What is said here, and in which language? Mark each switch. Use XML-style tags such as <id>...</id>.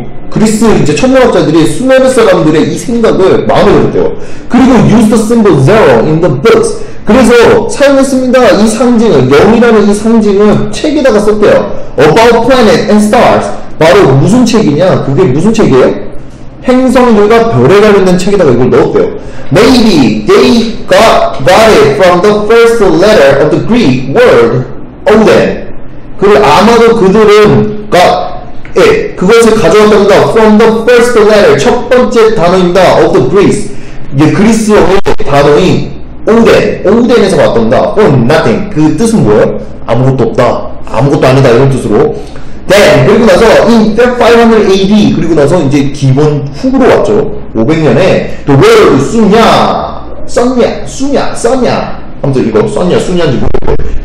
<ko>그리스 이제 천문학자들이 수메르 사람들의 이 생각을 마음에 들었대요.</ko> <en>그리고 use the symbol zero in the books.</en> <ko>그래서 사용했습니다. 이 상징을, 0이라는 이 상징을 책에다가 썼대요.</ko> <en>About planet and stars.</en> <ko>바로 무슨 책이냐? 그게 무슨 책이에요? 행성들과 별에 관련된 책에다가 이걸 넣었대요.</ko> <en>Maybe they got it from the first letter of the Greek word Odin.</en> <ko>그리고 아마도 그들은 그것을 가져왔답니다.</ko> <en>From the first letter,</en> <ko>첫 번째 단어입니다.</ko> <en>Of the Greece.</en> <ko>이게 그리스어의 단어인 오덴에서 왔답니다.</ko> <en>From nothing.</en> <ko>그 뜻은 뭐예요? 아무것도 없다. 아무것도 아니다. 이런 뜻으로. Then, 그리고 나서</ko> <en>in 500 AD,</en> <ko>그리고 나서 이제 기본 후로 왔죠. 500년에</ko> <en>the word</en> <ko>쑨냐 아무튼 이거 쑨냐인지 모르겠고.</ko>